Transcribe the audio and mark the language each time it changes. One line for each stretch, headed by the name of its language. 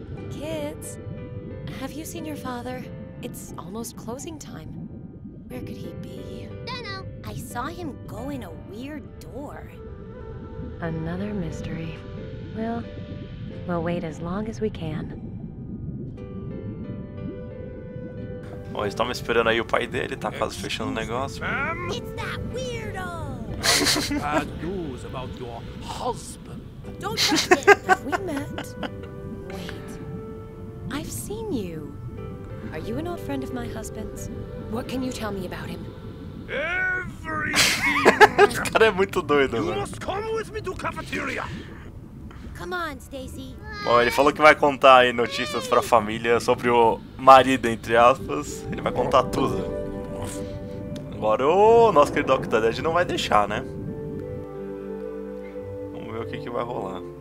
English: Kids, have you seen your father? It's almost closing time. Where could he be? Dino! I saw him go in a weird door. Another mystery. Well, we'll wait as long as we can.
Portuguese: Oh, eles estavam esperando aí o pai dele, tá quase fechando o negócio.
English: It's that weirdo! Bad news about your husband. Don't touch him! Have we met? Wait. I've seen you. Are you an old friend of my husband's? What can you tell me about him? Everything!
Portuguese: O cara é muito doido,
English: you
Portuguese: mano.
English: You must come with me to cafeteria! Come on, Stacy.
Portuguese: Bom, ele falou que vai contar aí notícias pra família sobre o marido, entre aspas. Ele vai contar tudo. Agora o nosso querido Octodad não vai deixar, né? Vamos ver o que, que vai rolar.